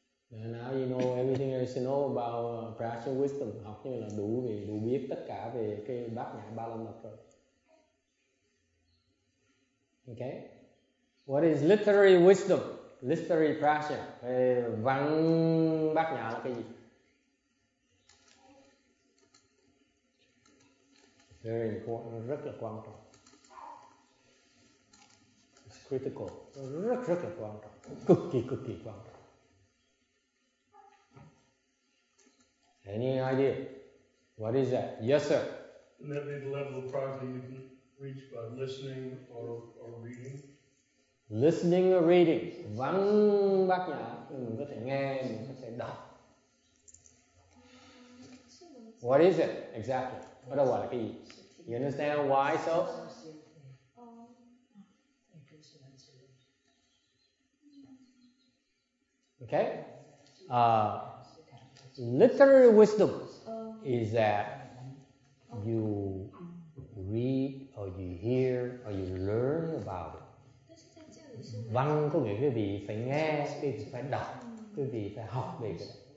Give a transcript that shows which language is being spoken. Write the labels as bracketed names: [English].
[English] And now you know everything there is to know about practical wisdom. [Vietnamese] Học như là đủ biết tất cả về cái bát nhã ba la mật rồi. [English] Okay. What is literary wisdom? Literary practice. [Vietnamese] Cái văn bát nhã là cái gì? [English] Very important. [Vietnamese] Rất là quan trọng. [English] It's critical. [Vietnamese] Rất rất là quan trọng. Cực kỳ quan trọng. [English] Any idea? What is that? Yes, sir. And that'd be the level of practice you can reach by listening or reading. Listening or reading. [Vietnamese] Văn bát nhã, mình có thể nghe, mình có thể đọc. [English] What is it exactly? What do I want to be? You understand why so? Okay. Literary wisdom is that you read or you hear or you learn about it. [Vietnamese] Văn có nghĩa quý vị phải nghe, quý vị phải đọc, quý vị phải học về cái đó.